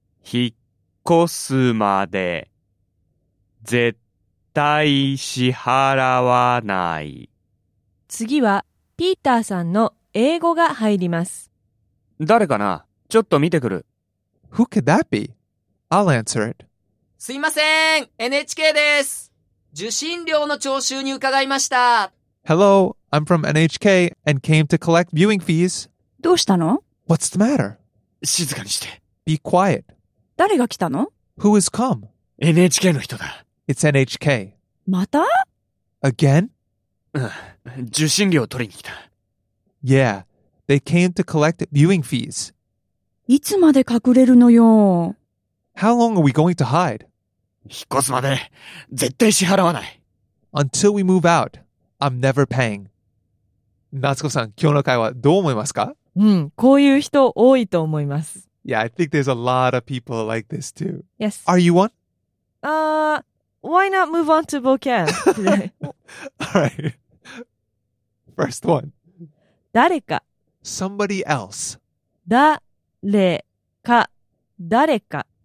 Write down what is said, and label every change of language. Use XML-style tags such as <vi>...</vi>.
<ja>引っ越すまで、絶対支払わない。次は、ピーターさんの英語が入ります。誰かな？ちょっと見てくる。</ja> <en>Who could that be? I'll answer it.</en> <ja>すいません。NHK です。受信料の徴収に伺いました。</ja> <en>Hello, I'm from NHK and came to collect viewing fees.</en> <ja>どうしたの？</ja> <en>What's the matter?</en> <ja>静かにして。</ja> <en>Be quiet.</en> <ja>誰が来たの？</ja> <en>Who has come?</en> <ja>NHK の人だ。</ja> <en>It's NHK.</en> <ja>また？</ja> <en>Again?</en> <ja>受信料を取りに来た。</ja> <en>Yeah, they came to collect viewing fees.</en> <ja>いつまで隠れるのよ。</ja> <en>How long are we going to hide?</en> <ja>引っ越すまで絶対支払わない。</ja> <en>Until we move out, I'm never paying.</en> <ja>夏子さん、今日の会話どう思いますか？うん、こういう人多いと思います。</ja> <en>Yeah, I think there's a lot of people like this too. Yes. Are you one? Why not move on to vocab today? Alright. First one.</en> <ja>誰か。</ja> <en>Somebody else.</en> <ja>誰か。誰か。</ja>